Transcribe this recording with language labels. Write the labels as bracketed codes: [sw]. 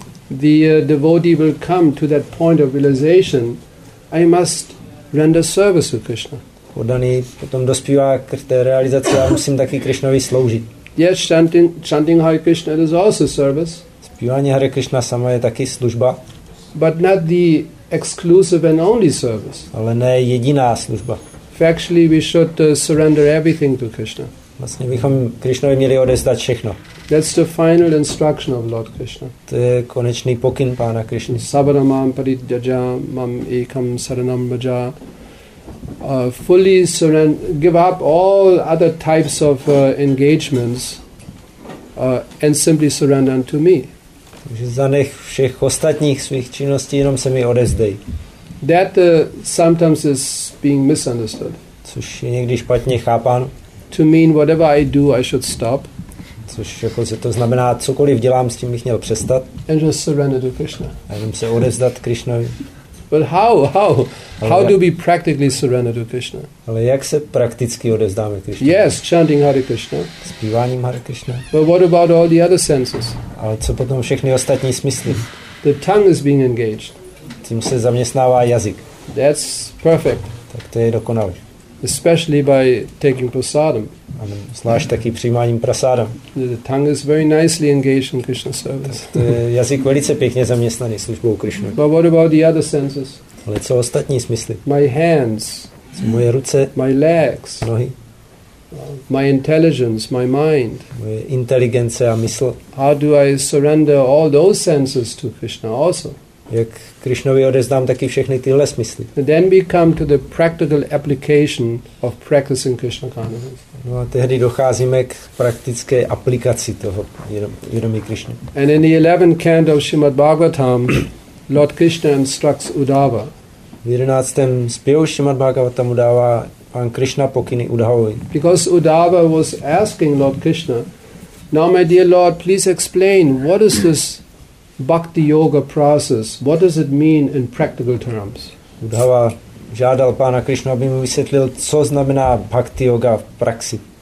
[en] the devotee will come to that point of realization, I must render service to Krishna. [cs] Oddaný potom dospívá k té realizaci, já musím taky Krishnovi sloužit. [en] Yes, chanting Hare Krishna is also service. [cs] Zpívání Hare Krishna samo je taky služba. [en] But not the exclusive and only service. [cs] Ale ne jediná služba. [en] Actually, we should surrender everything to Krishna. [cs] Vlastně bychom Krishnovi měli odevzdat všechno. [en] That's the final instruction of Lord Krishna. [cs] To je konečný pokyn pána Krishna. [sa] Sabaramam paridhyaja mam ekam saranam vraja. [en] Fully surrender, give up all other types of engagements and simply surrender unto me. [cs] Takže zanech všech ostatních svých činností, jenom se mi odezdej. [en] That sometimes is being misunderstood. [cs] Což je někdy špatně chápán. [en] To mean whatever I do, I should stop. [cs] Což jako se to znamená, cokoliv dělám, s tím bych měl přestat. [en] And just surrender to Krishna. [cs] A jenom se odevzdat Krishnovi. [en] But how do we practically surrender to Krishna? [cs] Ale jak se prakticky odevzdáme Krishna? [en] Yes, chanting Hare Krishna. [cs] Zpíváním Hare Krishna. [en] But what about all the other senses? [cs] Ale co potom všechny ostatní smysly? [en] The tongue is being engaged. [cs] Tím se zaměstnává jazyk. [en] That's perfect. [cs] Tak to je dokonalý. [en] Especially by taking prasadam. [cs] Ano, zvlášť taky přijímáním prasadam. [en] The tongue is very nicely engaged in Krishna service. [cs] Tak to je jazyk velice pěkně zaměstnaný službou Krishna. [en] But what about the other senses? [cs] Ale co ostatní smysly? [en] My hands. [cs] Co moje ruce? [en] My legs. [cs] Nohy. [en] My intelligence, my mind. [cs] Moje inteligence a mysl. [en] How do I surrender all those senses to Krishna also? [cs] Jak Krišnovi odezdám taky všechny tyhle smysly. [en] Then we come to the practical application of practicing Krishna consciousness. [cs] No a tehdy docházíme k praktické aplikaci toho vědomí Krišny. [en] And in the 11th canto of Srimad Bhagavatam, Lord Krishna instructs Uddhava. [cs] V 11. zpěvu Srimad Bhagavatam udává pán Krišna pokyny Uddhavovi. [en] Because Uddhava was asking Lord Krishna, now my dear Lord, please explain, what is this Bhakti yoga process, what does it mean in practical terms? [cs] Uddhava žádal pána Krišnu, aby mu vysvětlil, co znamená bhakti yoga v praxi.